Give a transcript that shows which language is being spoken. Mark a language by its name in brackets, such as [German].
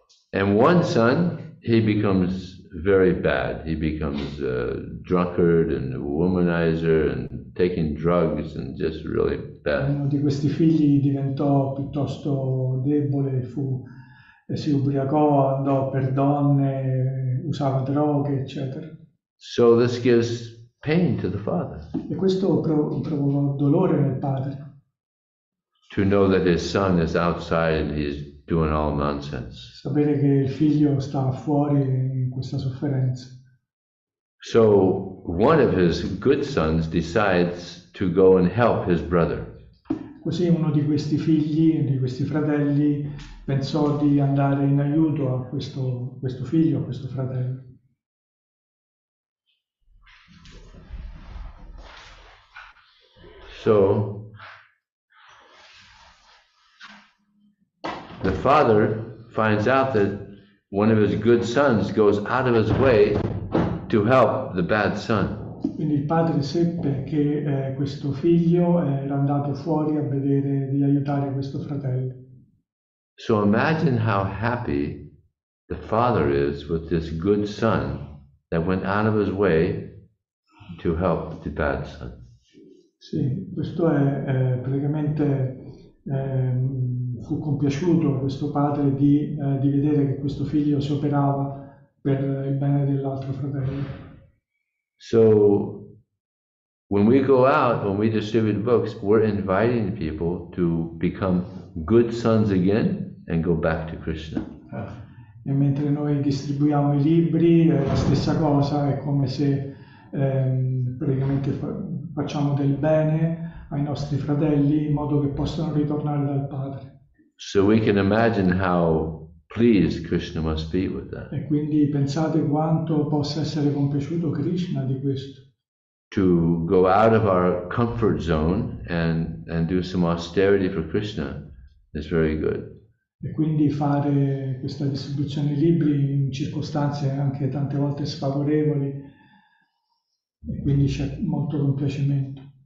[English] And one son, he becomes very bad. He becomes a drunkard and a womanizer and taking drugs and just really bad. [Italian] Uno di questi figli diventò piuttosto debole, si ubriacò, andò per donne, usava droghe, eccetera. [English] So this gives pain to the father. [Italian] E questo provocò dolore nel padre. [English] To know that his son is outside and he's doing all nonsense. [Italian] Sapere che il figlio sta fuori in questa sofferenza. [English] So one of his good sons decides to go and help his brother. [Italian] Così uno di questi figli, di questi fratelli, pensò di andare in aiuto a questo figlio, a questo fratello. [English] So the father finds out that one of his good sons goes out of his way to help the bad son. [Italian] Quindi il padre seppe che questo figlio era andato fuori a vedere di aiutare questo fratello. [English] So imagine how happy the father is with this good son that went out of his way to help the bad son. [Italian] Sì, questo è praticamente fu compiaciuto questo padre di vedere che questo figlio si operava per il bene dell'altro fratello. [English] So when we go out, when we distribute books, we're inviting people to become good sons again and go back to Krishna. [Italian] E mentre noi distribuiamo i libri, è la stessa cosa, è come se praticamente facciamo del bene ai nostri fratelli in modo che possano ritornare dal padre. [English] So we can imagine how pleased Krishna must be with that. [Italian] E quindi pensate quanto possa essere compiaciuto Krishna di questo. [English] To go out of our comfort zone and do some austerity for Krishna is very good. [Italian] E quindi fare questa distribuzione di libri in circostanze anche tante volte sfavorevoli, e quindi c'è molto compiacimento.